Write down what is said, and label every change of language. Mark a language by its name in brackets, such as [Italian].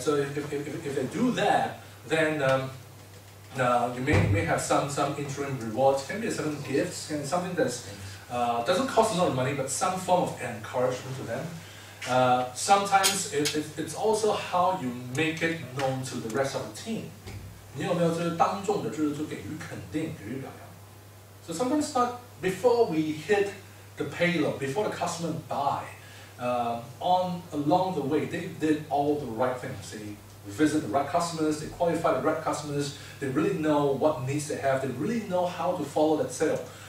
[English] So if they do that, then you may have some interim rewards, can be certain gifts, can be something that doesn't cost a lot of money, but some form of encouragement to them. Sometimes it's also how you make it known to the rest of the team. [Chinese] 你有没有就是当众的就是给予肯定，给予表扬？ [English] So sometimes start before we hit the payload, before the customer buy, on along the way, they did all the right things. We visit the right customers, they qualify the right customers, they really know what needs they have, they really know how to follow that sale.